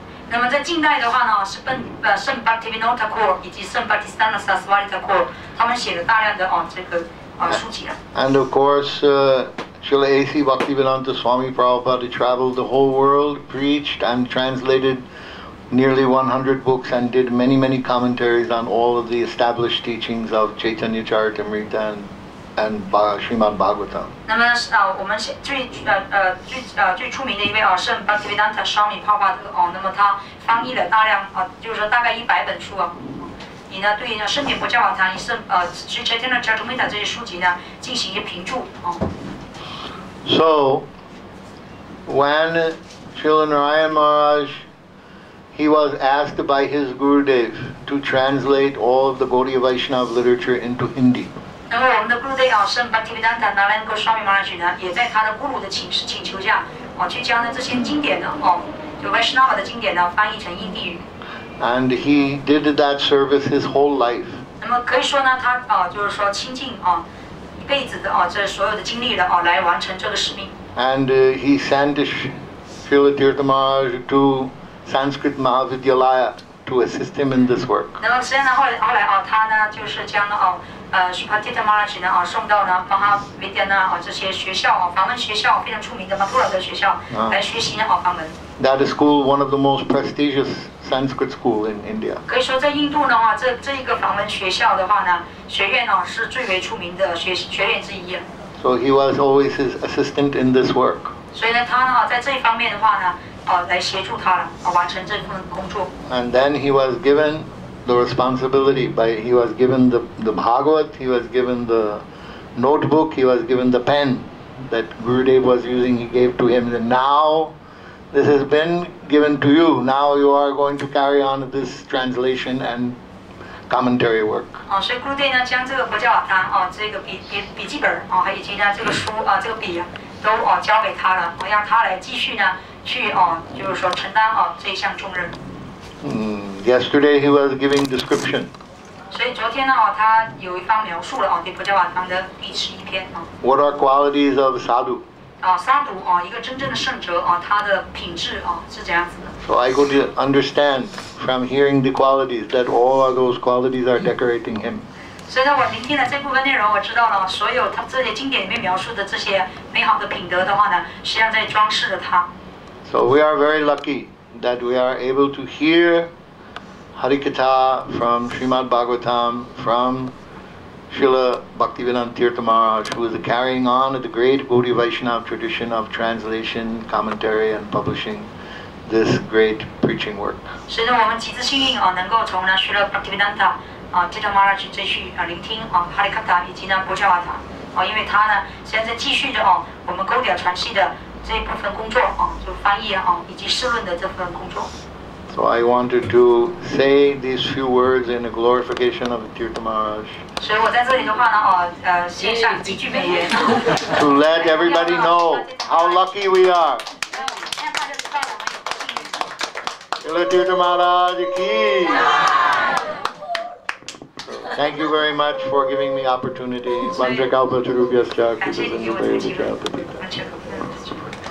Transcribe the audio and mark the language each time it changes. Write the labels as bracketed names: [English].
[Chinese] 那么在近代的话呢，是圣巴提维诺塔库以及圣巴提斯坦纳萨斯瓦里塔库，他们写了大量的书籍了。 [English] And of course, Srila A.C. Bhaktivedanta Swami Prabhupada traveled the whole world, preached and translated nearly 100 books and did many commentaries on all of the established teachings of Chaitanya Charitamrita and Srimad Bhagavatam. [Chinese] 那么我们最出名的一位圣巴提维丹塔沙米帕巴德那么他翻译了大量就是说大概100本书以呢对于圣典博伽瓦譚以圣Sri Chaitanya Charitamrita这些书籍呢进行一些评注 [English] So when Srila Narayan Maharaj he was asked by his Gurudev to translate all of the Gaudiya Vaishnava literature into Hindi. [Chinese] 然后我们的 Gurudev 圣巴提维丹塔达兰格沙米马拉吉呢，也在他的咕噜的请求下，去将这些经典的就 Vaishnava 的经典呢，翻译成印地语。 [English] And he did that service his whole life. [Chinese] 那么可以说呢，他就是说倾尽一辈子的这所有的精力的来完成这个使命。 [English] And he sent Srila Tirtha Maharaj to Sanskrit Mahavidyalaya to assist him in this work. [Chinese] 那么实际上后来他呢就是将Shupatita Maharaj 呢送到呢帮他维迪呢这些学校梵文学校非常出名的曼陀罗的学校来学习呢梵文。 [English] That is school one of the most prestigious Sanskrit school in India. [Chinese] 可以说在印度呢这一个梵文学校的话呢学院呢是最为出名的学院之一。 [English] So he was always his assistant in this work. [Chinese] 所以呢他呢在这一方面的话呢来协助他了完成这份工作。 [English] And then he was given. The responsibility by he was given the Bhagavat, he was given the notebook, he was given the pen that Gurudev was using, he gave to him. And now this has been given to you. Now you are going to carry on this translation and commentary work. [Chinese] So Gurudev 呢将这个佛教瓦坛这个笔记本还有其他这个书这个笔都交给他了，让他来继续呢去就是说承担这一项重任。 [English] Yesterday he was giving description. [Chinese] 所以昨天呢，他有一番描述了对佛教瓦坛的第十一篇 [English] What are qualities of sadhu? [Chinese] sadhu 一个真正的圣者他的品质是这样子的。 [English] So I could understand from hearing the qualities that all of those qualities are decorating him. [Chinese] 所以呢，我聆听了这部分内容，我知道了所有他这些经典里面描述的这些美好的品德的话呢，实际上在装饰着他。 [English] So we are very lucky that we are able to hear. Harikatha from Srimad Bhagavatam, from Srila Bhaktivedanta Tirtha Maharaj, who is carrying on the great Gaudiya Vaishnava tradition of translation, commentary, and publishing this great preaching work. So, we are very lucky to be able to hear Srila Bhaktivedanta Tirtha Maharaj, Harikatha, and Bhujavata, [Chinese] 哦，因为他呢现在继续着哦我们勾点传系的这部分工作哦，就翻译哦以及释论的这份工作。 [English] So I wanted to say these few words in a glorification of Tirtha Maharaj. [Chinese] 所以我在这里的话呢，哦，献上几句美言。 [English] To let everybody know how lucky we are. Jai Tirtha Maharaj ki. Thank you very much for giving me opportunity. [Sanskrit] Vandra kalpa charubhyascha kripasindu bhayavu chayapadita.